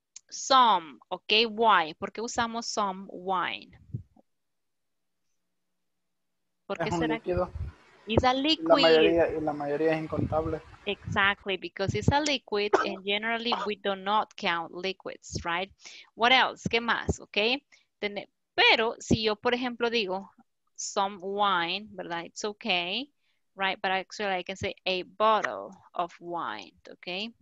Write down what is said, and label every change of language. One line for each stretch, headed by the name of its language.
English: Some. Okay. Why?
Spanish: ¿Por qué usamos
English: some wine?
Spanish: ¿Por qué será?
English: It's a liquid.
Spanish: La mayoría es incontable.
English: Exactly, because it's a liquid and generally we do not count liquids, right? What else?
Spanish: ¿Qué más?
English: Okay.
Spanish: Pero si yo, por ejemplo, digo
English: some wine,
Spanish: ¿verdad?
English: It's okay, right? But actually I can say a bottle of wine, okay?